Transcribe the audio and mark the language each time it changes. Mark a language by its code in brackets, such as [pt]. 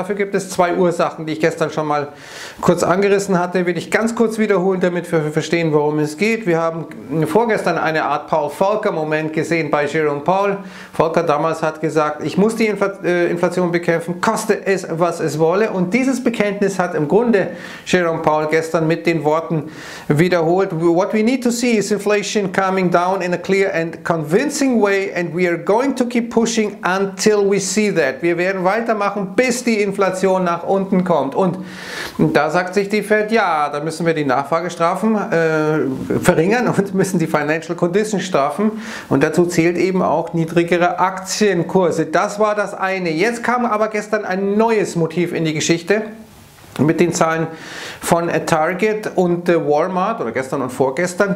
[de] Dafür gibt es 2 Ursachen, die ich gestern schon mal kurz angerissen hatte, will ich ganz kurz wiederholen, damit wir verstehen, worum es geht. Wir haben vorgestern eine Art Paul-Volcker-Moment gesehen bei Jerome Powell. Volcker damals hat gesagt, ich muss die Inflation bekämpfen, koste es, was es wolle. Und dieses Bekenntnis hat im Grunde Jerome Powell gestern mit den Worten wiederholt. [en] What we need to see is inflation coming down in a clear and convincing way and we are going to keep pushing until we see that. [de] Wir werden weitermachen, bis die Inflation nach unten kommt. Und da sagt sich die Fed, ja, da müssen wir die Nachfragestrafen verringern und müssen die Financial Conditions straffen und dazu zählt eben auch niedrigere Aktienkurse. Das war das eine. Jetzt kam aber gestern ein neues Motiv in die Geschichte mit den Zahlen von Target und Walmart oder gestern und vorgestern.